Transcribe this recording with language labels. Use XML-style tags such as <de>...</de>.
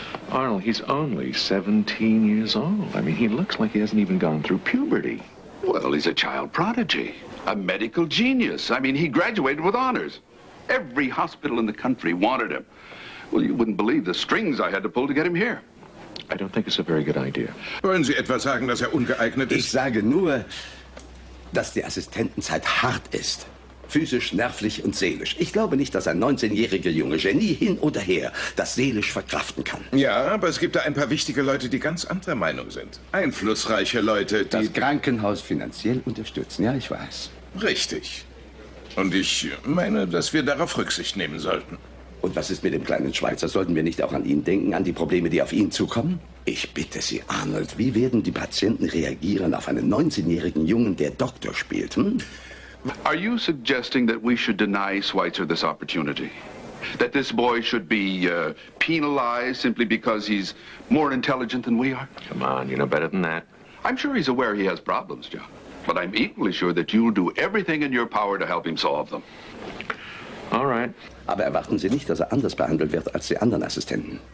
<en>Arnold, he's only 17 years old. I mean, he looks like he hasn't even gone through puberty. Well, he's a child prodigy, a medical genius. I mean, he graduated with honors. Every hospital in the country wanted him. Well, you wouldn't believe the strings I had to pull to get him here. I don't think it's a very good idea.</en> <de>Wollen Sie etwa sagen, dass ungeeignet ist? Ich sage nur, dass die Assistentenzeit hart ist. Physisch, nervlich und seelisch. Ich glaube nicht, dass ein 19-jähriger junge Genie hin oder her das seelisch verkraften kann. Ja, aber es gibt da ein paar wichtige Leute, die ganz anderer Meinung sind. Einflussreiche Leute, die... Das Krankenhaus finanziell unterstützen, ja, ich weiß. Richtig. Und ich meine, dass wir darauf Rücksicht nehmen sollten. Und was ist mit dem kleinen Schweizer? Sollten wir nicht auch an ihn denken, an die Probleme, die auf ihn zukommen? Ich bitte Sie, Arnold, wie werden die Patienten reagieren auf einen 19-jährigen Jungen, der Doktor spielt, hm?</de> <en>Are you suggesting that we should deny Schweitzer this opportunity? That this boy should be penalized simply because he's more intelligent than we are? Come on, you know better than that. I'm sure he's aware he has problems, John. But I'm equally sure that you'll do everything in your power to help him solve them. All right.</en> <de>Aber erwarten Sie nicht, dass er anders behandelt wird als die anderen Assistenten.</de>